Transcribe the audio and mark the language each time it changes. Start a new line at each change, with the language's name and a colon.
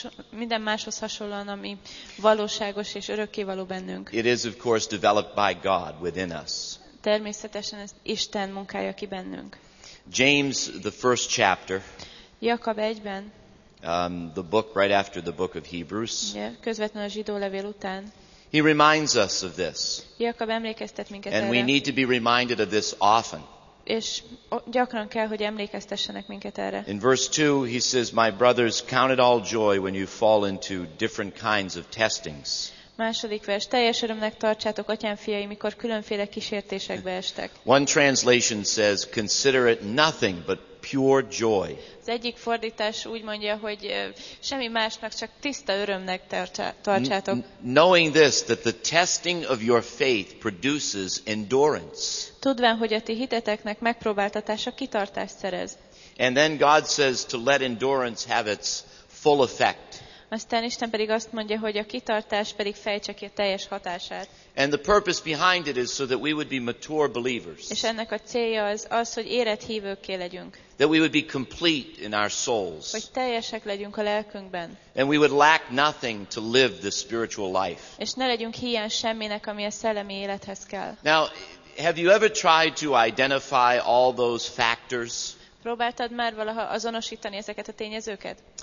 Hungarian: minden máshoz hasonlóan, ami valóságos és örökkévaló bennünk,
English: it is of course developed by God within us.
Hungarian: Természetesen ez Isten munkája ki bennünk.
English: James, the first chapter,
Hungarian: Jakab 1-ben,
English: the book right after the book of Hebrews,
Hungarian: közvetlenül a zsidó levél után,
English: he reminds us of this.
Hungarian: Jakab emlékeztet minket erre.
English: And we need to be reminded of this often.
Hungarian: És gyakran kell, hogy emlékeztessenek minket erre.
English: In verse 2 he says, my brothers, count it all joy when you fall into different kinds of testings.
Hungarian: Második vers, teljes örömnek tartsátok, atyám fiai, mikor különféle kísértésekbe estek.
English: One translation says, consider it nothing but pure joy.
Hungarian: Az egyik fordítás úgy mondja, hogy semmi másnak, csak tiszta örömnek tartsátok.
English: Knowing this, that the testing of your faith produces endurance.
Hungarian: Tudván, hogy a ti hiteteknek megpróbáltatása kitartást szerez.
English: And then God says to let endurance have its full effect.
Hungarian: Aztán Isten pedig azt mondja, hogy a kitartás pedig fejtse ki a teljes hatását.
English: And the purpose behind it is so that we would be mature believers.
Hungarian: És ennek a célja az az, hogy érett hívőkké legyünk.
English: That we would be complete in our souls.
Hungarian: Hogy teljesek legyünk a lelkünkben.
English: And we would lack nothing to live the spiritual life.
Hungarian: És ne legyünk hiány semminek, ami a szellemi élethez kell.
English: Now, have you ever tried to identify all those factors?
Hungarian: Próbáltad már valaha azonosítani ezeket a tényezőket?